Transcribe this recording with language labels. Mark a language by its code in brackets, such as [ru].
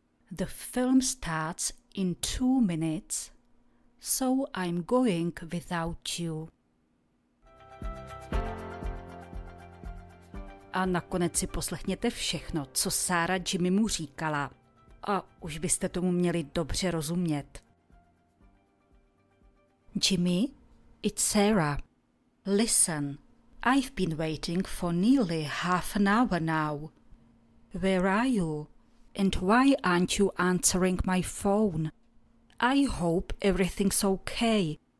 [en] The film starts in 2 minutes, so I'm going without you. [cs] A nakonec si poslechněte všechno, co Sara Jimmy mu říkala. A už byste tomu měli dobře rozumět. [en] Jimmy, it's Sarah. Listen, I've been waiting for nearly half an hour now. Where are you? And why aren't you answering my phone? I hope everything's okay.